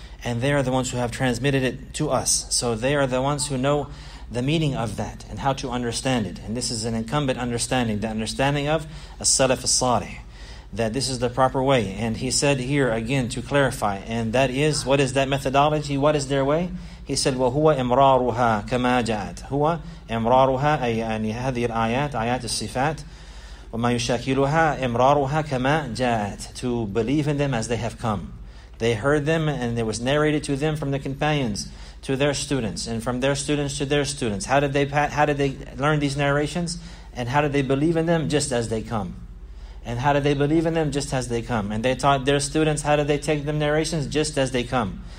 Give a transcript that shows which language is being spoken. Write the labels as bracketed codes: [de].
[en] And they are the ones who have transmitted it to us. So they are the ones who know the meaning of that and how to understand it. And this is an incumbent understanding, the understanding of As-Salaf As-Salih, that this is the proper way. And he said here again to clarify, and that is, what is that methodology? What is their way? He said, [ar] وَهُوَ إِمْرَارُهَا كَمَا جَاءَتْ. هُوَ إِمْرَارُهَا أَيْ هَذِي الْآيَاتِ, آيات الصفات, وَمَا يُشَكِلُهَا إِمْرَارُهَا كَمَا جَاءَتْ, [en] to believe in them as they have come. They heard them, and it was narrated to them from the companions to their students, and from their students to their students. How did they learn these narrations? And how did they believe in them? Just as they come. And how did they believe in them? Just as they come. And they taught their students, how did they take them narrations? Just as they come.